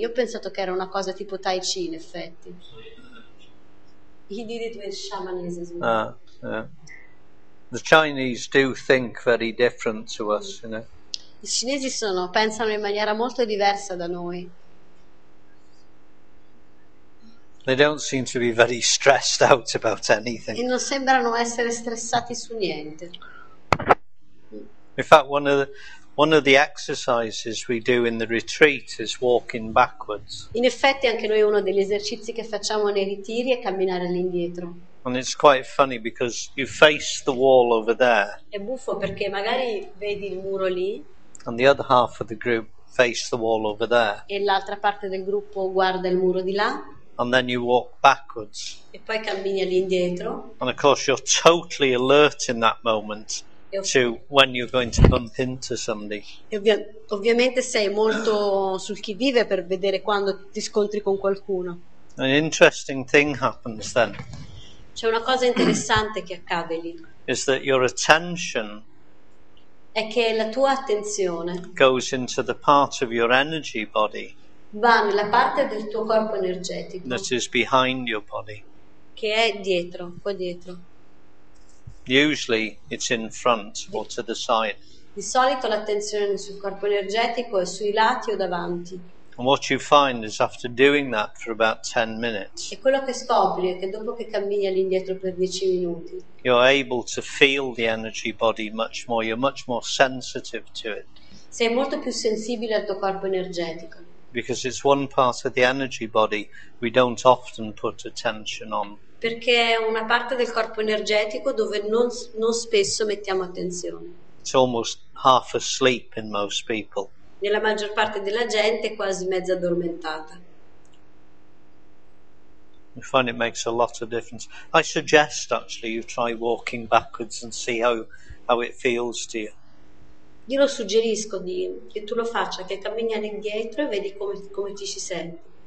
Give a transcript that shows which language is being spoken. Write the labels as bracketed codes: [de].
[it] Io ho pensato che era una cosa tipo Tai Chi, in effetti. [en] He did it with shamanism. The Chinese do think very different to us, you know. [it] I cinesi sono, pensano in maniera molto diversa da noi. [en] They don't seem to be very stressed out about anything. [it] E non sembrano essere stressati su niente. [en] In fact, one of the exercises we do in the retreat is walking backwards. [it] In effetti, anche noi uno degli esercizi che facciamo nei ritiri è camminare all'indietro. [en] And it's quite funny because you face the wall over there. [it] È buffo perché magari vedi il muro lì. [en] And the other half of the group face the wall over there. [it] E l'altra parte del gruppo guarda il muro di là. [en] And then you walk backwards. [it] E poi cammini all'indietro. [en] And of course you're totally alert in that moment to when you're going to bump into somebody. [it] E ovviamente sei molto sul chi vive per vedere quando ti scontri con qualcuno. [en] An interesting thing happens then. [it] C'è una cosa interessante che accade lì. [en] Is that your attention? [it] È che la tua attenzione [en] goes into the part of your energy body. [it] Va nella parte del tuo corpo energetico. [en] That is behind your body. [it] Che è dietro, qua dietro. [en] Usually it's in front or to the side. [it] Di solito l'attenzione sul corpo energetico è sui lati o davanti. [en] And what you find is after doing that for about 10 minutes. [it] E quello che scopri è che dopo che cammini all'indietro per 10 minuti. [en] You're able to feel the energy body much more. You're much more sensitive to it. [it] Sei molto più sensibile al tuo corpo energetico. [en] Because it's one part of the energy body we don't often put attention on. [it] Perché è una parte del corpo energetico dove non spesso mettiamo attenzione. [en] It's almost half asleep in most people. [it] Nella maggior parte della gente è quasi mezza addormentata. [en] I find it makes a lot of difference. I suggest actually you try walking backwards and see how it feels to you. [it] Io lo suggerisco di che tu lo faccia, che cammini all'indietro e vedi come ti ci senti.